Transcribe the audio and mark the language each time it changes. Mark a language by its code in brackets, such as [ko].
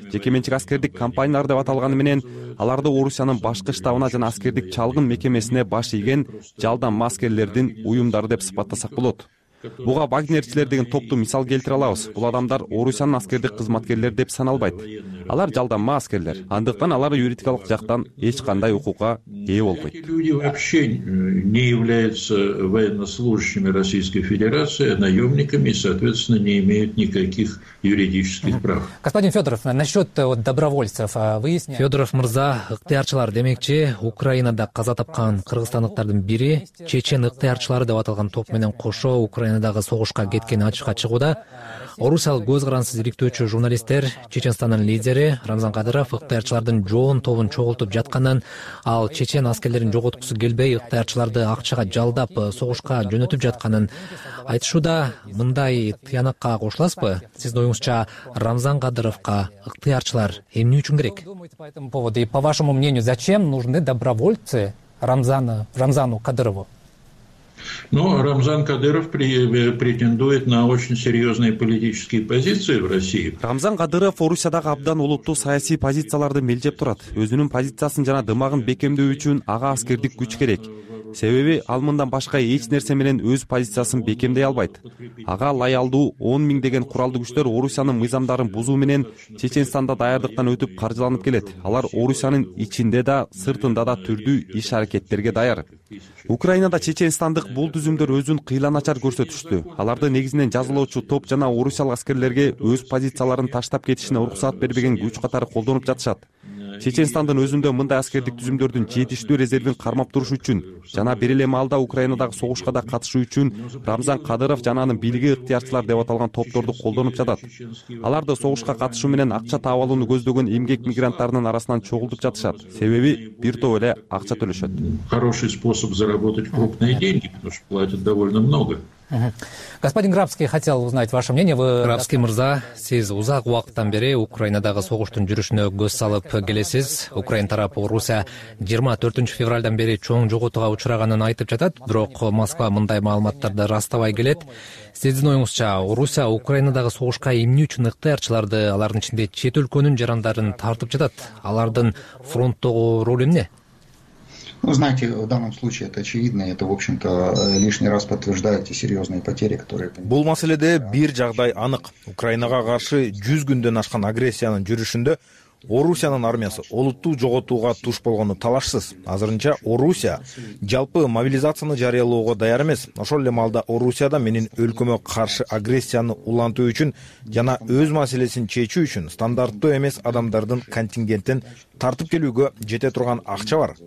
[ky] Жеке менчик аскердик компаниялар деп аталганы менен аларды Орусиянын башкы штабына жана аскердик чалгын мекемесине баш ийген жалдамма аскерлердин уюмдары деп сыпаттасак болот. Буга вагнерчилер деген топту мисал келтире алабыз. Бул адамдар Орусиянын аскердик кызматкерлери деп саналбайт. Алар жалдамма аскерлер. Андыктан алар юридикалык жактан эч кандай укукка ээ болбойт. [ru] Эти люди вообще не являются военнослужащими Российской Федерации, а наемниками и, соответственно, не имеют никаких юридических прав. Господин Федоров, насчет добровольцев выясняем. [ky] Федоров мырза, ыктыярчылар демекчи, Украинада каза тапкан кыргызстандыктардын бири чечен ыктыярчылары деп аталган топ менен кошо Украина Украинадагы согушка кеткени ачыкка чыгууда. Орусиялык көз карансыз иликтөөчү журналисттер Чечестандын лидери Рамзан Кадыров ыктыярчылардын жоон тобун чогултуп жатканын, ал чечен аскерлерин жоготкусу келбей, ыктыярчыларды акчага жалдап согушка жөнөтүп жатканын айтышууда. Мындай тыянакка кошуласызбы? Сиздин оюңузча Рамзан Кадыровко ыктыярчылар эмне үчүн керек? [ru] По вашему мнению, зачем нужны добровольцы Рамзану Кадырову? Но Рамзан Кадыров претендует на очень серьезные политические позиции в России. [ky] Рамзан Кадыров Орусиядагы абдан олуттуу саясий позицияларды мелдеп турат. Өзүнүн позициясын жана дымагын бекемдөө үчүн ага аскердик күч керек. Себеби ал мындан башка эч нерсе менен өз позициясын бекемдей албайт. Ага лаялдуу 10,000 деген куралды күчтөр Орусиянын мыйзамдарын бузуу менен Чеченстанда даярдыктан өтүп каржыланып келет. Алар Орусиянын ичинде да, сыртында да түрдүү иш аракеттерге даяр. Украинада чечестандык бул түзүмдөр өзүн кыйланачар көрсөтүштү. Аларды негизинен жазалоочу топ жана орусиялык аскерлерге өз позицияларын таштап кетишине уруксат бербеген күч катары колдонуп жатышат. Чечестандын өзүндө мындай аскердик түзүмдөрдүн жетиштүү резервин кармап туруш үчүн жана бир эле маалда Украинадагы согушка да катышуу үчүн Рамзан Кадыров жана анын бийлиги ыктыярчылар деп аталган топторду колдонуп жатат. Аларды согушка катышуу менен акча таап алууну көздөгөн эмгек мигранттарынын арасынан чогултуп жатышат. Себеби бир топ эле акча төлөшөт. [ru] Хороший способ заработать крупные деньги, потому что платят довольно много. Господин Грабский, хотел узнать ваше мнение. [ky] Грабский мырза, сиз узак убакыттан бери Украинадагы согуштун жүрүшүнө көз салып келесиз. Украина тарапы Орусия 24 февралдан бери чоң жоготууга учураганын айтып жатат, бирок Москва мындай маалыматтарды ырастабай келет. Сиздин оюңузча Орусия Украинадагы согушка эмне үчүн ыктыярчыларды, алардын ичинде чет өлкөнүн жарандарын тартып жатат? Алардын фронттогу ролу эмне? [ru] Ну, знаете, в данном случае это очевидно, это, в общем-то, лишний раз подтверждает те серьезные потери, которые... [ky] Бул маселеде бир жагдай анык. Украинага каршы 100 күндөн ашкан агрессиянын жүрүшүндө Орусиянын армиясы олуттуу жоготууга туш болгону талашсыз. Азырынча Орусия жалпы мобилизацияны жарыялоого даяр эмес. Ошол эле маалда Орусияда менин өлкөмө каршы агрессияны улантуу үчүн жана өз маселесин чечүү үчүн стандарттуу эмес адамдардын контингентин тартып келүүгө жете турган акча бар.